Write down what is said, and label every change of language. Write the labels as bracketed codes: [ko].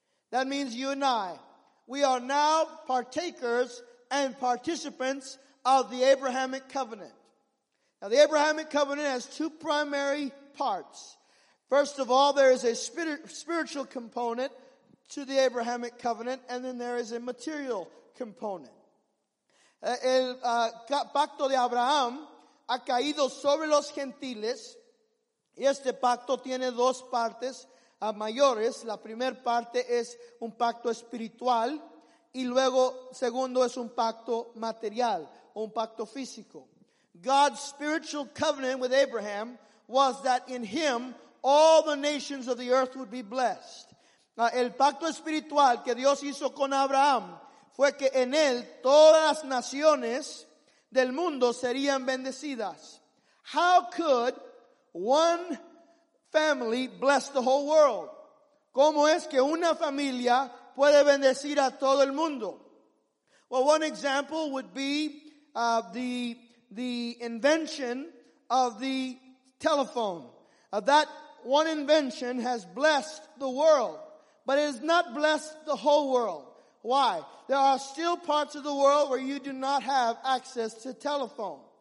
[en] That means you and I. We are now partakers and participants of the Abrahamic covenant. Now, the Abrahamic covenant has two primary parts. First of all, there is a spiritual component to the Abrahamic covenant, and then there is a material component. [es] El pacto de Abraham ha caído sobre los gentiles, y este pacto tiene dos partes mayores. La primera parte es un pacto espiritual, y luego, segundo, es un pacto material, un pacto físico. [en] God's spiritual covenant with Abraham was that in him all the nations of the earth would be blessed. [es] El pacto espiritual que Dios hizo con Abraham fue que en él todas las naciones del mundo serían bendecidas. [en] How could one family bless the whole world? [es] ¿Cómo es que una familia puede bendecir a todo el mundo? [en] Well, one example would be the invention of the telephone. That one invention has blessed the world, but it has not blessed the whole world. Why? There are still parts of the world where you do not have access to telephone.